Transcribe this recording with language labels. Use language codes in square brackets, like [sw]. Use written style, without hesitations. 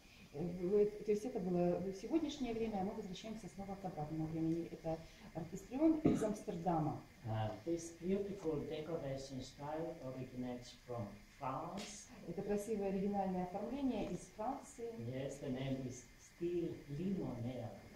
[ru] То есть это было в сегодняшнее время, а мы возвращаемся снова к обратному времени. Это оркестрион из Амстердама. [en] This beautiful decoration style originates from France. [ru] Это красивое оригинальное оформление из Франции. [en] Yes, the name is Steel Limonel.